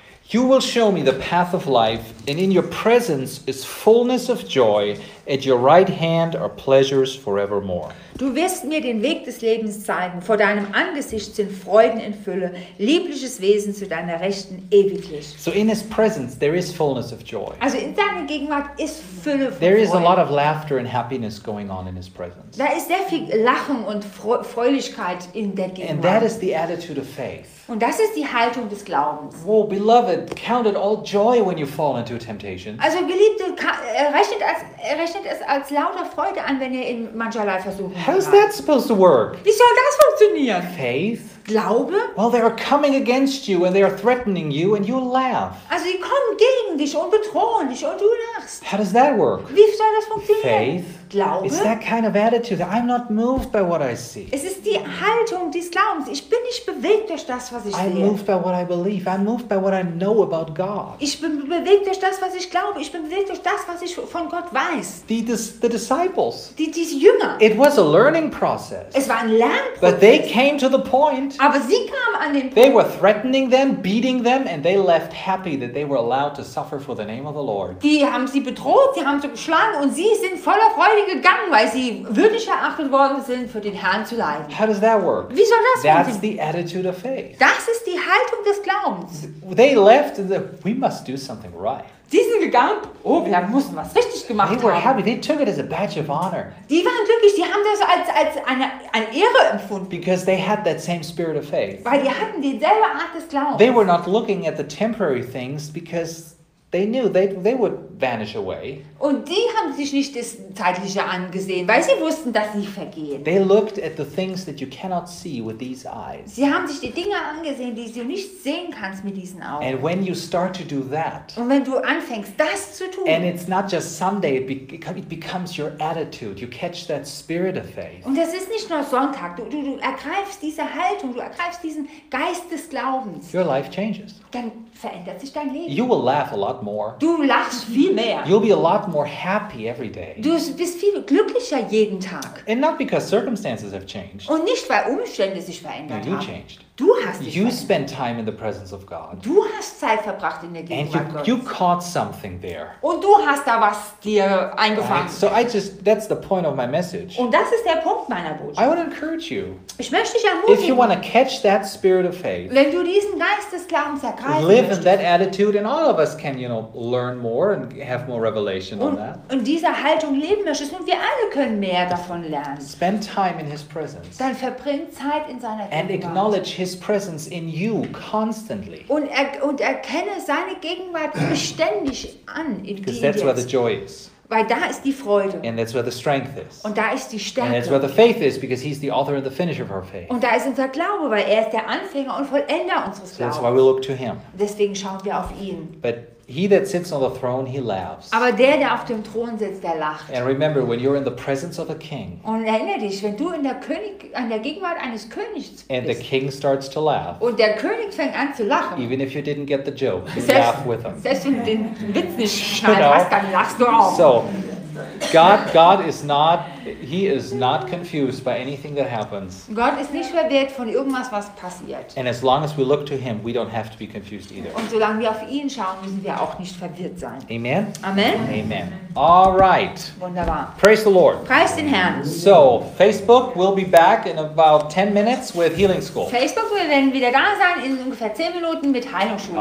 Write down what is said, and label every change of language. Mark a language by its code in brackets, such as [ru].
[en] You will show me the path of life, and in your presence is fullness of joy. At your right hand are pleasures forevermore. [de] Du wirst mir den Weg des Lebens zeigen. Vor deinem Angesicht sind Freuden in Fülle, liebliches Wesen zu deiner Rechten ewiglich. [en] So in his presence there is fullness of joy. [de] Also in deiner Gegenwart ist Fülle von Freude. [en] There is a lot of laughter and happiness going on in his presence. [de] Da ist sehr viel Lachen und Fröhlichkeit in der Gegenwart. [en] And that is the attitude of faith. [de] Und das ist die Haltung des Glaubens. [en] Oh, beloved, count it all joy when you fall into a temptation. [de] Also Geliebte, rechnet es als lauter Freude an, wenn ihr in mancherlei Versuchung seid. [en] How is that supposed to work? [de] Wie soll das funktionieren? [en] Faith? [de] Glaube? [en] Well, they are coming against you and they are threatening you and you laugh. [de] Also sie kommen gegen dich und bedrohen dich und du lachst. [en] How does that work? [de] Wie soll das funktionieren? [en] Faith? [de] Glaube? [en] It's that kind of attitude. I'm not moved by what I see. [de] Es ist die Haltung des Glaubens. Ich bin nicht bewegt durch das, was ich sehe. [en] I'm moved by what I believe. I'm moved by what I know about God. [de] Ich bin bewegt durch das, was ich glaube. Ich bin bewegt durch das, was ich von Gott weiß. [en] The disciples. [de] Die Jünger. [en] It was a learning process. [de] Es war ein Lernprozess. [en] But they came to the point. [de] Aber sie kamen an den Punkt. [en] They were threatening them, beating them, and they left happy that they were allowed to suffer for the name of the Lord. [de] Die haben sie bedroht, sie haben sie geschlagen und sie sind voller Freude gegangen, weil sie würdig erachtet worden sind, für den Herrn zu leiden. [en] How does that work? [de] Wie soll das [en] That's the attitude of faith. [de] Das ist die Haltung des Glaubens. [en] They left and said, we must do something right. [de] Die sind gegangen, oh, wir mussten was richtig gemacht haben. [en] They were happy. They took it as a badge of honor. [de] Die waren glücklich, die haben das als eine Ehre empfunden. [en] Because they had that same spirit of faith. [de] Weil die hatten dieselbe Art des Glaubens. [en] They were not looking at the temporary things because they knew they would vanish away. [de] Und die haben sich nicht das Zeitliche angesehen, weil sie wussten, dass sie vergehen. [en] They looked at the things that you cannot see with these eyes. [de] Sie haben sich die Dinge angesehen, die du nicht sehen kannst mit diesen Augen. [en] And when you start to do that, [de] und wenn du anfängst, das zu tun, [en] and it's not just Sunday, it becomes your attitude. You catch that spirit of faith. [de] Und das ist nicht nur Sonntag. Du ergreifst diese Haltung, du ergreifst diesen Geist des Glaubens. [en] Your life changes. [de] Dann verändert sich dein Leben. [en] You will laugh a lot more. [de] Du lachst viel mehr. [en] You'll be a lot more happy every day. [de] Du bist viel glücklicher jeden Tag. [en] And not because circumstances have changed. [de] Und nicht weil Umstände sich verändert haben. [en] No, you changed. [de] Du hast dich [en] you [de] verändert. [en] Spend time in the presence of God. [de] Du hast Zeit verbracht in der Gegenwart Gottes. [en] And you caught something there. [de] Und du hast da was dir eingefangen. [en] Right? So I just that's the point of my message. [de] Und das ist der Punkt meiner Botschaft. [en] I would encourage you. [de] Ich möchte dich ermutigen. [en] If you want to catch that spirit of faith. [de] Wenn du diesen Geist des Glaubens ergreifen [en] live [de] möchtest, [en] in that attitude and all of us can, you know, learn more and have more revelation [de] und, [en] on that. [de] Und dieser Haltung leben möchtest und wir alle können mehr davon lernen. [en] Spend time in his presence. [de] Dann verbring Zeit in seiner Gegenwart. [en] And acknowledge his presence in you constantly. [de] Und erkenne seine Gegenwart beständig an in dir. [en] Because that's where the joy is. [de] Weil da ist die Freude. [en] And that's where the strength is. [de] Und da ist die Stärke. [en] And that's where the faith is, because he's the author and the finisher of our faith. [de] Und da ist unser Glaube, weil er ist der Anfänger und Vollender unseres Glaubens. [en] So that's why we look to him. [de] Deswegen schauen wir auf ihn. [en] But he that sits on the throne, he laughs. [de] Aber der auf dem Thron sitzt, der lacht. [en] And remember, when you're in the presence of a king. [de] Und erinnere dich, wenn du in der König, an der Gegenwart eines Königs bist. [en] And the king starts to laugh. [de] Und der König fängt an zu lachen. [en] Even if you didn't get the joke, you [de] selbst, [en] laugh with him. [de] Selbst wenn du den Witz nicht schneiden hast, dann lachst du auch. [en] So, God is not, he is not confused by anything that happens. [de] Gott ist nicht verwirrt von irgendwas, was passiert. [en] And as long as we look to him, we don't have to be confused either. [de] Und solange wir auf ihn schauen, müssen wir auch nicht verwirrt sein. [en] Amen. Amen. Amen. All right. [de] Wunderbar. [en] Praise the Lord. [de] Preist den Herrn. [en] So, Facebook will be back in about 10 minutes with Healing School. [de] Facebook wird wieder da sein in ungefähr 10 Minuten mit Heilungsschule.